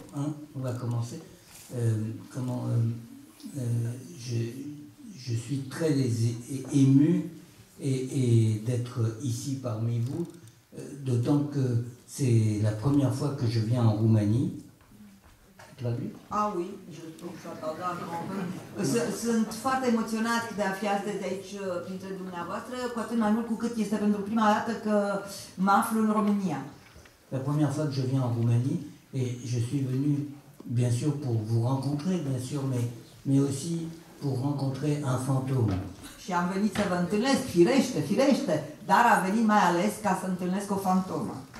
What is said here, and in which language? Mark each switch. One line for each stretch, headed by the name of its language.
French: Hein, on va commencer. Je suis très ému. Et d'être ici parmi vous, d'autant que c'est la première fois que je viens en Roumanie. Traduit? Ah oui, je trouve ça pas grave. Je suis très émotionnée
Romanian: de fi aici printre dumneavoastră, cu atât mai mult cu cât este pentru prima dată că mă aflu în România.
French: La première fois que je viens en Roumanie, et je suis venu, bien sûr, pour vous rencontrer, bien sûr, mais aussi pour rencontrer un fantôme.
Romanian: Și am venit să vă întâlnesc, firește, dar a venit mai ales ca să întâlnesc o fantomă.